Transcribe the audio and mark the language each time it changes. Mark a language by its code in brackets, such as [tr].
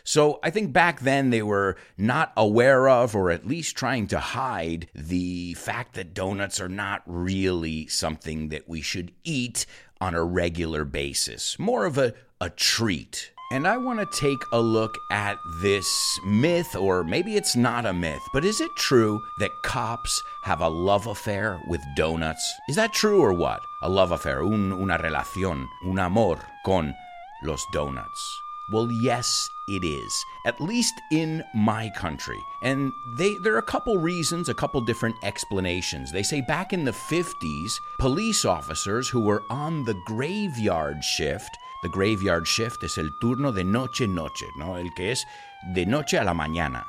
[en] So I think back then they were not aware of, or at least trying to hide, the fact that donuts are not really something that we should eat on a regular basis. More of a treat. And I want to take a look at this myth, or maybe it's not a myth, but is it true that cops have a love affair with donuts? Is that true or what? A love affair, [es] una relación, un amor con los donuts. [en] Well, yes, it is, at least in my country. And there are a couple reasons, a couple different explanations. They say back in the 50s, police officers who were on the graveyard shift, the graveyard shift is [es] el turno de noche, no, el que es de noche a la mañana.